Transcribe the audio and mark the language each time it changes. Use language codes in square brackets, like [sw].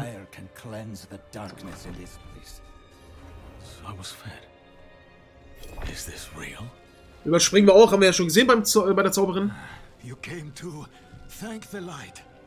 [en] Fire can cleanse the darkness in this place. So I was fed. Is this real? [de] Überspringen wir auch, haben wir ja schon gesehen beim bei der Zauberin. [en] You came to thank the light.